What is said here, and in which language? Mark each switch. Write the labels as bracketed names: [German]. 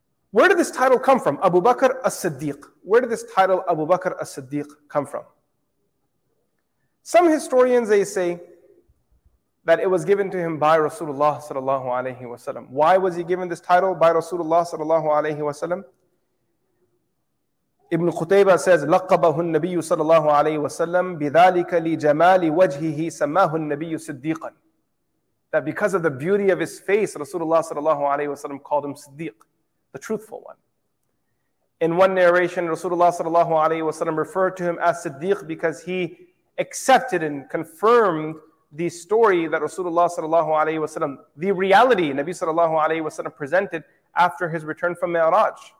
[English] Where did this title come from? Abu Bakr As-Siddiq. Where did this title Abu Bakr As-Siddiq come from? Some historians, they say, that it was given to him by Rasulullah sallallahu alayhi wa sallam. Why was he given this title by Rasulullah sallallahu alayhi wa sallam? Ibn Qutaybah says, [Arabic] لَقَّبَهُ النَّبِيُّ sallallahu alayhi wa sallam بِذَلِكَ لِجَمَالِ وَجْهِهِ سَمَّاهُ النَّبِيُّ صِدِّيقًا. [English] That because of the beauty of his face, Rasulullah sallallahu alayhi wa sallam called him Siddiq, the truthful one. In one narration, Rasulullah sallallahu alayhi wa sallam referred to him as Siddiq because he accepted and confirmed the story that Rasulullah sallallahu alayhi wa sallam, the reality Nabi sallallahu alayhi wa sallam presented after his return from Mi'raj.